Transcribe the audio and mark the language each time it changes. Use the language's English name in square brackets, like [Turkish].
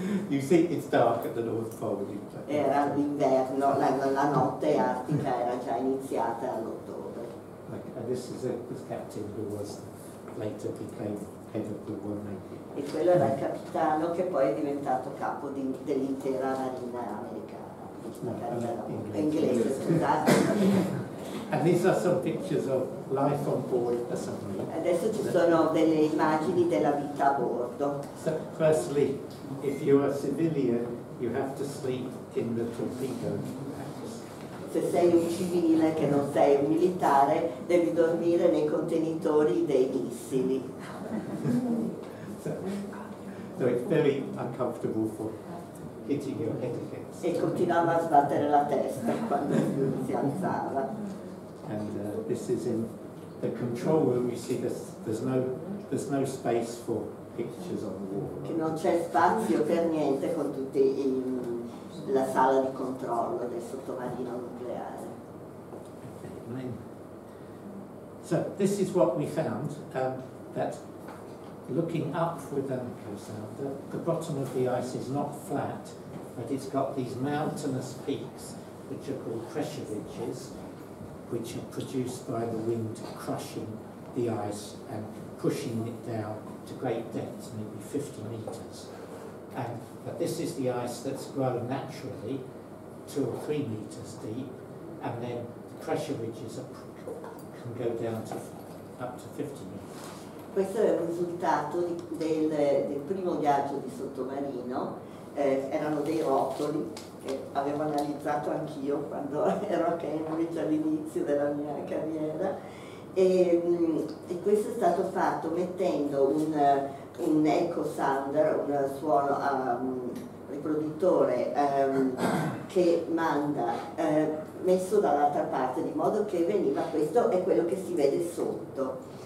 [English] You see, it's dark at the North Pole. [Italian] Era l'inverno, la notte artica era già iniziata all'ottobre. [English] Okay. And this is the captain who was later became head of the Royal Navy. [Italian] E quello era il capitano che poi è diventato capo dell'intera marina americana. No, inglese. [English] And these are some pictures of life on board the submarine. [Italian] Adesso ci sono delle immagini della vita a bordo. [English] So, firstly, if you are civilian, you have to sleep in the torpedo. [Italian] Se sei un civile che non sei un militare, devi dormire nei contenitori dei missili. [English] So it's very uncomfortable for hitting your head against. [Italian] E continuava a sbattere la testa quando si alzava. [English] And this is in the control room. You see this, there's no space for pictures on the wall. [Italian] Che non c'è spazio per niente con tutti i, la sala di controllo del sottomarino nucleare. [English] Okay. So this is what we found, that looking up with an echo sounder, the bottom of the ice is not flat, but it's got these mountainous peaks, which are called pressure ridges, which are produced by the wind crushing the ice and pushing it down to great depths, maybe 50 meters. But this is the ice that's grown naturally, 2 or 3 meters deep, and then the pressure ridges can go down to up to 50 meters. [Italian] Questo è il risultato del primo viaggio di sottomarino, erano dei rotoli che avevo analizzato anch'io quando ero a Cambridge all'inizio della mia carriera e questo è stato fatto mettendo un echo sounder, un suono riproduttore che manda, messo dall'altra parte di modo che veniva, questo è quello che si vede sotto.